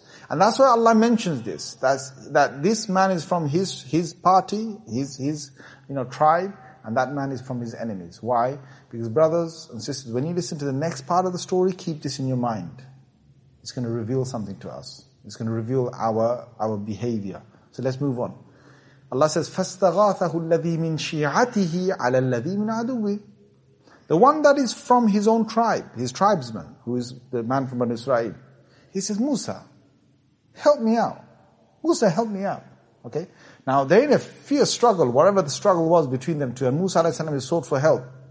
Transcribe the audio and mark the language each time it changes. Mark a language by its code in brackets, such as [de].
[en] And that's why Allah mentions this, that this man is from his party, his, you know, tribe, and that man is from his enemies. Why? Because brothers and sisters, when you listen to the next part of the story, keep this in your mind. It's going to reveal something to us. It's going to reveal our behavior. So let's move on. Allah says, [ar] فَاسْتَغَاثَهُ الَّذِي مِنْ شِيَعَتِهِ عَلَى الَّذِي مِنْ عَدُوِهِ. [en] The one that is from his own tribe, his tribesman, who is the man from Banu Israel. He says, Musa, help me out. Musa, help me out. Okay? Now, they're in a fierce struggle, whatever the struggle was between them two, and Musa alayhi salam is sought for help.